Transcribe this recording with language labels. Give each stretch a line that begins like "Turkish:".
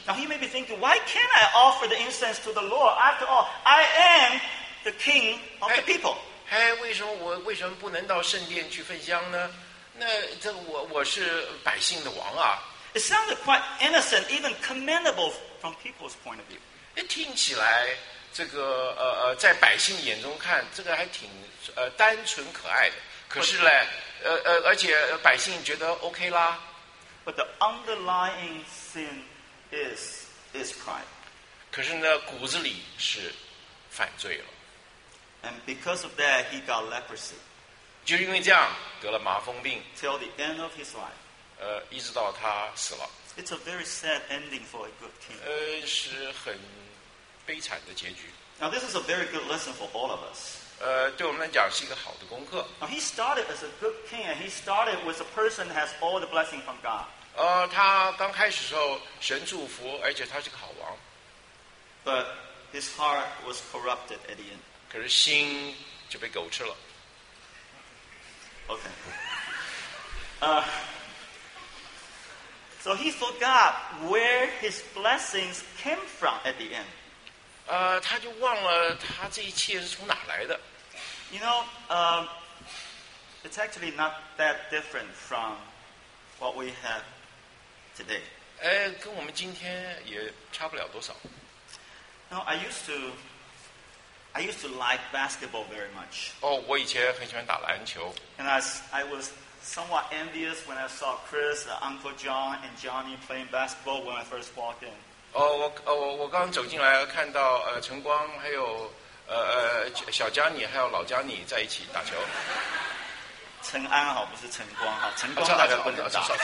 English: Now he may be thinking, why can't I offer the incense to the Lord? After all, I am the king of the people.
Chinese: 为什么不能到圣殿去焚香呢？那这我是百姓的王啊。
English: It sounded quite innocent, even commendable from people's point of view.
Chinese: 听起来，这个在百姓眼中看，这个还挺单纯可爱的。可是嘞，而且百姓觉得 OK 啦。
English: But the underlying sin is crime.
Chinese: 可是呢，骨子里是犯罪了。
English: And because of that, he got leprosy.
Chinese: 就因为这样，得了麻风病。
English: Till the end of his life.
Chinese: 一直到他死了。
English: It's a very sad ending for a good king.
Chinese: 是很悲惨的结局。
English: Now this is a very good lesson for all of us.
Chinese: 对我们来讲是一个好的功课。
English: Now he started as a good king, and he started with a person that has all the blessing from God.
Chinese: 他刚开始时候神祝福，而且他是个好王。
English: But his heart was corrupted at the end.
Chinese: 可是心就被狗吃了。
English: Okay. So he forgot where his blessings came from at the end.
Chinese: 他就忘了他这一切是从哪来的。
English: You know, it's actually not that different from what we have today.
Chinese: 跟我们今天也差不了多少。
English: Now, I used to like basketball very much.
Chinese: 我以前很喜欢打篮球。
English: And I was... somewhat envious when I saw Chris, Uncle John, and Johnny playing basketball when I first walked in.
Chinese: 我刚走进来看到晨光还有小佳妮还有老佳妮在一起打球。陈安好，不是晨光哈，晨光大家不能打。